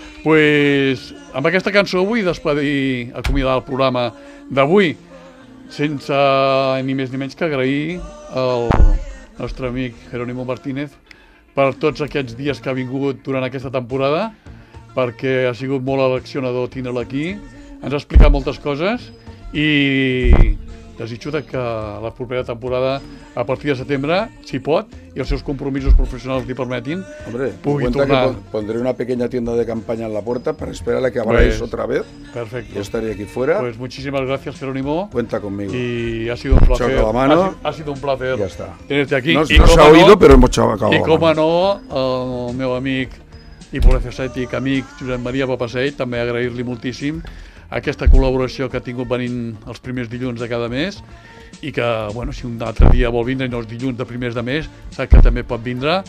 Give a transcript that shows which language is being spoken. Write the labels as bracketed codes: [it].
[ca] Pues amb aquesta cançó vull despedir, acomiadar el programa d'avui, sense ni més ni menys que agrair al nostre amic Jerónimo Martínez per tots aquests dies que ha vingut durant aquesta temporada, perquè ha sigut molt eleccionador tindre'l aquí, ens ha explicat moltes coses i desitjo que la propera temporada, a partir de setembre, si pot, i els seus compromisos professionals li permetin, hombre, pugui tornar. [es] Que pondré una pequeña tienda de campaña en la puerta para esperar a que abráis otra vez. Perfecto. Yo estaré aquí fuera. Pues muchísimas gracias, Jerónimo. Cuenta conmigo. Y ha sido un placer. Choco la mano. Ha sido un placer. Ya está. Tenerte aquí. No se ha oído, pero hemos chocado. [ca] Y como no, el meu amic i polifacètic amic Josep Maria Papasseig, també agrair-li moltíssim aquesta col·laboració que ha tingut venint els primers dilluns de cada mes, i que, bueno, si un altre dia vol vindre, i no els dilluns de primers de mes, sap que també pot vindre.